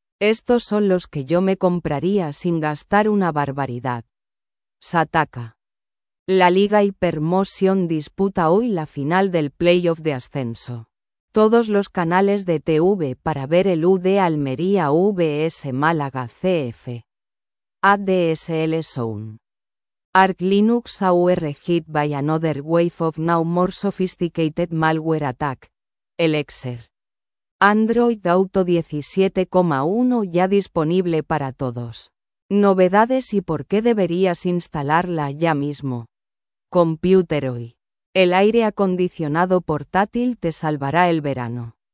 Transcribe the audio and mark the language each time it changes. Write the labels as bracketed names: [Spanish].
[Spanish] Estos son los que yo me compraría sin gastar una barbaridad. Sataka. La Liga Hypermotion disputa hoy la final del playoff de ascenso. Todos los canales de TV para ver el UD Almería VS Málaga CF. ADSL Zone. [English] Arch Linux AUR hit by another wave of now more sophisticated malware attack. [Spanish] Elixir. Android Auto 17.1 ya disponible para todos. Novedades y por qué deberías instalarla ya mismo. Computer Hoy. El aire acondicionado portátil te salvará el verano.